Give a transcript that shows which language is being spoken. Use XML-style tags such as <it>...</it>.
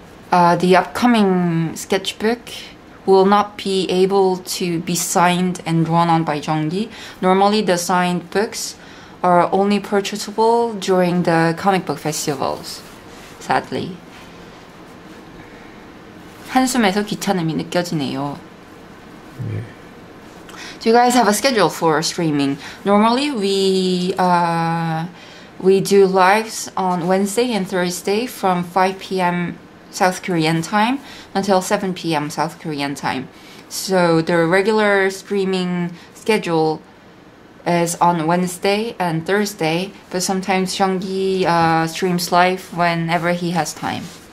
<en>The upcoming sketchbook will not be able to be signed and drawn on by Zhang Yi. Normally, the signed books are only purchasable during the comic book festivals, sadly.</en> <ko>한숨에서 귀찮음이 느껴지네요.</ko> <en>Do you guys have a schedule for streaming? Normally, we do lives on Wednesday and Thursday from 5 p.m. South Korean time until 7 p.m. South Korean time. So the regular streaming schedule is on Wednesday and Thursday, but sometimes Zhang Yi streams live whenever he has time.</en>